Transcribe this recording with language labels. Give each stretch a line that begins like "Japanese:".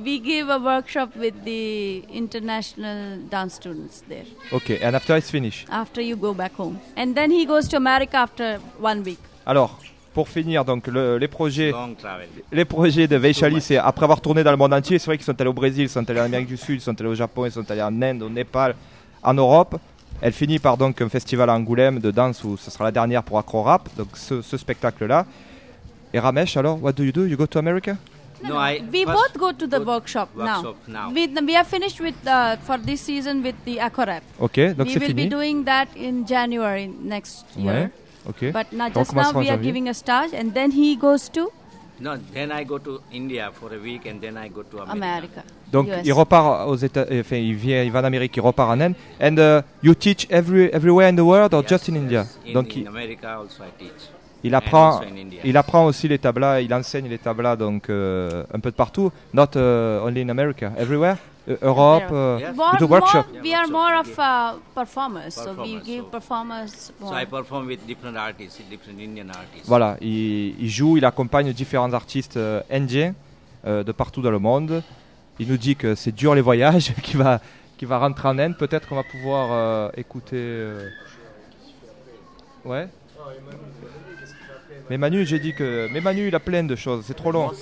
English: We give a workshop with the international dance students there. Okay, and after it's finished. After you go back home, and then he goes to America after 1 week.
French: Alors, pour finir, donc les projets de Veishali, c'est après avoir tourné dans le monde entier. C'est vrai qu'ils sont allés au Brésil, ils sont allés en Amérique du Sud, ils sont allés au Japon, ils sont allés en Inde, au Népal, en Europe. Elle finit par donc un festival à Angoulême de danse où ce sera la dernière pour Acrorap, donc ce spectacle-là. Et Ramesh, alors,
English: what do? You go to America? No, we both go to the workshop now. We are finished with for this season with the Acrorap.
French: Okay, donc
English: we
French: c'est fini.
English: will be doing that in January next year.
French: Ouais, okay.
English: But now, just now, we are giving a stage, and then he goes to. No, then I go to India for a week, and then I go to America. America.
French: Donc
English: US.
French: Il repart aux États, enfin il va en Amérique, il repart en Inde.
English: And you teach everywhere in the world or yes, just in India? Yes.
French: Donc
English: in America also I teach.
French: Il apprend aussi les tablas, il enseigne les tablas donc un peu de partout.
English: Not only in America, everywhere, Europe. Yes. With the workshop. We are more of performers, so we give performers. So I perform with different artists, different Indian artists.
French: Voilà, il joue, il accompagne différents artistes indiens de partout dans le monde. Il nous dit que c'est dur les voyages, qu'il va rentrer en Inde. Peut-être qu'on va pouvoir écouter. Ouais. Mais Manu, j'ai dit que. Mais Manu, il a plein de choses. C'est trop long.